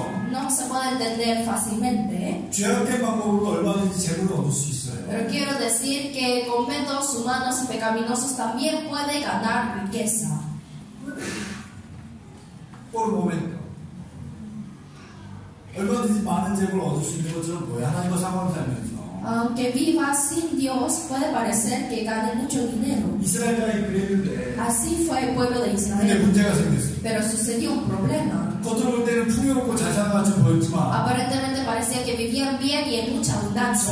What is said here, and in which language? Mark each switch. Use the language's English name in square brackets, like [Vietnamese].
[Spanish] No se puede entender fácilmente. Pero quiero decir que con métodos humanos y pecaminosos también puede ganar riqueza. Por un momento. [Korean] 얼마든지 많은 재물을 얻을 수 있는 것처럼 뭐야 하나님과 상관을 살면서. [Spanish] Aunque viva sin Dios puede parecer que gane mucho dinero. [Korean] 이스라엘이 그랬는데. [Spanish] Así fue el pueblo de Israel. [Korean] 근데 문제가 생겼어. [Spanish] Pero sucedió un problema. [Korean] 겉으로 볼 때는 풍요롭고 잘 사는 것처럼 보였지만. [Spanish] Aparentemente parecía que vivían bien y en mucha abundancia.